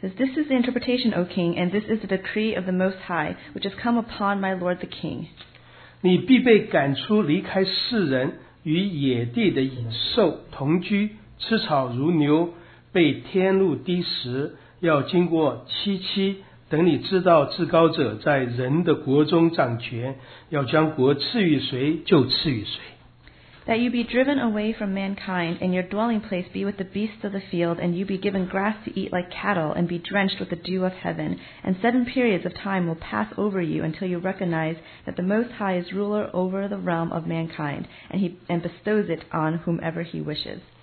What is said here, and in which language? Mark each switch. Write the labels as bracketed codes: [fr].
[en] this is the interpretation, O king, and this is the decree of the Most High, which has come upon my lord the king. [zh] 你必被赶出离开世人，与野地的野兽同居。吃草如牛，被天露滴食，要经过七七，等你知道至高者在人的国中掌权，要将国赐予谁，就赐予谁。 [en] That you be driven away from mankind, and your dwelling place be with the beasts of the field, and you be given grass to eat like cattle, and be drenched with the dew of heaven. And 7 periods of time will pass over you until you recognize that the Most High is ruler over the realm of mankind, and bestows it on whomever he wishes.